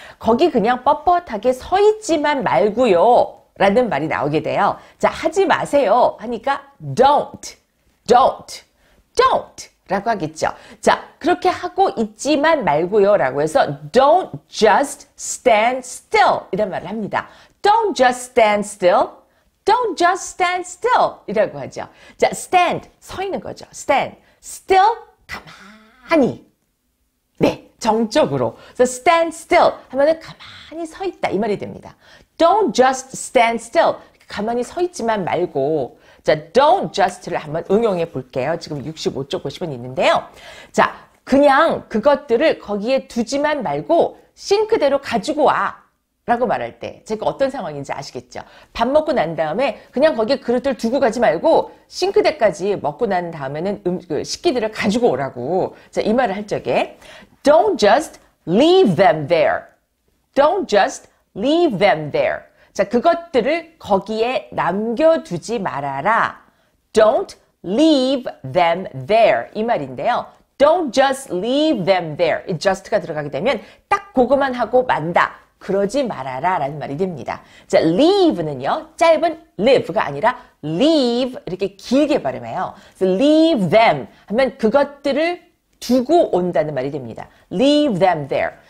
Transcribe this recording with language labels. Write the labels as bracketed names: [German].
[Korean] 거기 그냥 뻣뻣하게 서 있지만 말고요 라는 말이 나오게 돼요. 자, 하지 마세요 하니까 [English] don't, don't, don't [Korean] 라고 하겠죠. 자, 그렇게 하고 있지만 말고요 라고 해서 [English] don't just stand still [Korean] 이런 말을 합니다. [English] Don't just stand still. Don't just stand still [Korean] 이라고 하죠. 자, stand, 서 있는 거죠. [English] Stand, still, [Korean] 가만히. 네, 정적으로. [English] So stand still [Korean] 하면 가만히 서 있다 이 말이 됩니다. [English] Don't just stand still, [Korean] 가만히 서 있지만 말고. 자, don't just를 한번 응용해 볼게요. 지금 65쪽 보시면 있는데요. 자, 그냥 그것들을 거기에 두지만 말고 싱크대로 가지고 와. 라고 말할 때 제가 어떤 상황인지 아시겠죠? 밥 먹고 난 다음에 그냥 거기에 그릇들 두고 가지 말고 싱크대까지 먹고 난 다음에는 그 식기들을 가지고 오라고. 자, 이 말을 할 적에 [English] Don't just leave them there. Don't just leave them there. [Korean] 자, 그것들을 거기에 남겨두지 말아라. [English] Don't leave them there. [Korean] 이 말인데요. [English] Don't just leave them there. [Korean] 이 just가 들어가게 되면 딱 그것만 하고 만다. 그러지 말아라 라는 말이 됩니다. 자, leave는요, 짧은 live가 아니라 leave 이렇게 길게 발음해요. [English] So leave them [Korean] 하면 그것들을 두고 온다는 말이 됩니다. [English] leave them there.